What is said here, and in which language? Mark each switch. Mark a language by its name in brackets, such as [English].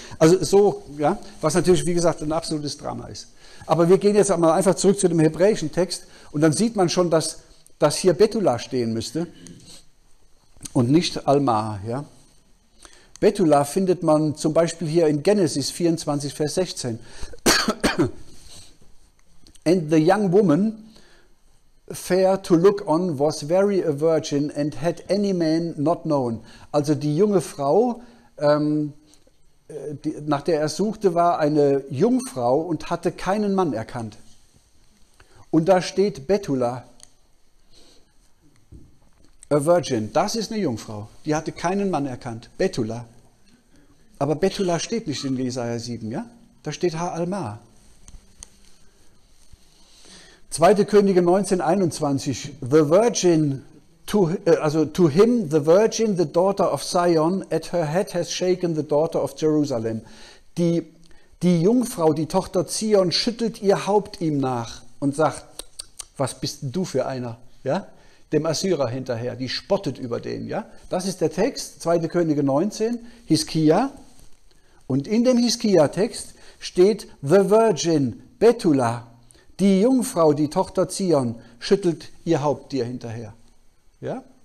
[German] Also so, ja, was natürlich, wie gesagt, ein absolutes Drama ist. Aber wir gehen jetzt einmal einfach zurück zu dem hebräischen Text und dann sieht man schon, dass hier Betula stehen müsste und nicht Almar, ja. Betula findet man zum Beispiel hier in Genesis 24, Vers 16. [English] And the young woman fair to look on was very a virgin and had any man not known. [German] Also die junge Frau, nach der er suchte, war eine Jungfrau und hatte keinen Mann erkannt. Und da steht Betula, [English] a virgin. [German] Das ist eine Jungfrau. Die hatte keinen Mann erkannt. Betula. Aber Betula steht nicht in Jesaja 7, ja? Da steht Ha-Alma. 2. Könige 19, 21. [English] The virgin, to him, the virgin, the daughter of Zion, at her head has shaken the daughter of Jerusalem. [German] Die Jungfrau, die Tochter Zion, schüttelt ihr Haupt ihm nach und sagt, was bist denn du für einer? Ja? Dem Assyrer hinterher, die spottet über den. Ja? Das ist der Text, 2. Könige 19, Hiskia. Und in dem Hiskia-Text steht, [English] the virgin, [German] Betula, die Jungfrau, die Tochter Zion, schüttelt ihr Haupt dir hinterher. Ja?